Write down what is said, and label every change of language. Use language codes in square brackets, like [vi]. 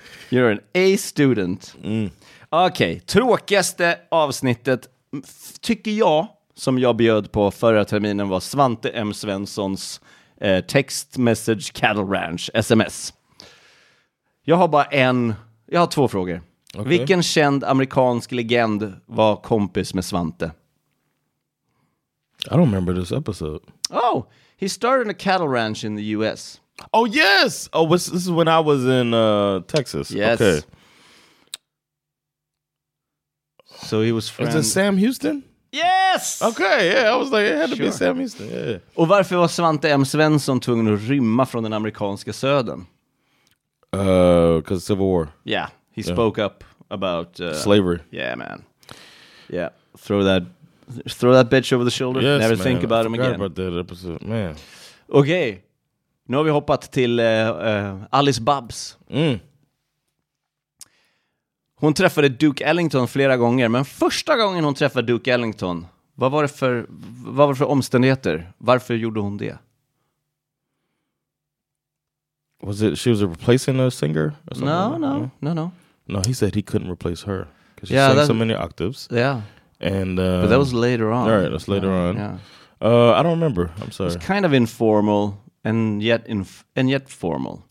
[en] You're an A student. [sv] Okej, tråkigaste avsnittet tycker jag som jag bjöd på förra terminen var Svante M. [en] Svenssons text message cattle ranch SMS. [sv] Jag har två frågor. Okay. Vilken känd amerikansk legend var kompis med Svante? [en] I don't remember this episode. Oh, he started a cattle ranch in the US. Oh yes. Oh, this is when I was in Texas. Yes. Okay. So he was friends. Is it Sam Houston? Yes! Okay, yeah, I was like, it had to be Sam Houston. Yeah. [sv] Och varför var Svante M. Svensson tvungen att rymma från den amerikanska södern? [en] Because of Civil War. Yeah, he spoke up about... slavery. Yeah, man. Yeah, throw that bitch over the shoulder. Yes, never man. Think about him again. I forgot about that episode, man. [sv] Okay, nu har vi hoppat till Alice Babs. Hon träffade Duke Ellington flera gånger, men första gången hon träffade Duke Ellington, vad var det för omständigheter? Varför gjorde hon det? [en] Was it, she was a replacing a singer or something? No, like, no, no, no. No, he said he couldn't replace her because she sang so many octaves. Yeah. And but that was later on. All right, that's later on. Yeah. I don't remember. I'm sorry. It's kind of informal and yet yet formal.